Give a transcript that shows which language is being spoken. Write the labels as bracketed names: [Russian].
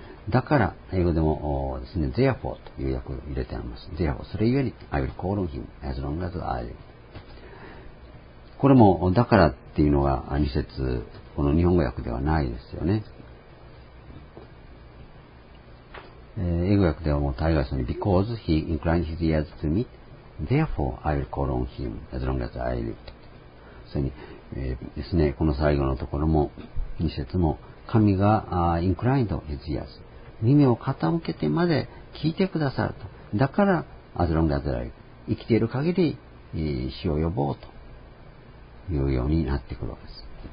[Japanese] だから英語でもですね、 therefore という訳を入れてあります。 [English] therefore [Japanese] それゆえに [English] I will call on him as long as I live。 [Japanese] これもだからっていうのが二節、この日本語訳ではないですよね。英語訳ではもう大概その [English] because he inclined his ears to me therefore I will call on him as long as I live。 [Japanese] それに、ですね、この最後のところも二節も、神が [English] inclined his ears、 [Japanese] 耳を傾けてまで聞いてくださると。だから、 [English] as long as I、 [Japanese] 生きている限り、死を呼ぼうというようになってくるわけです。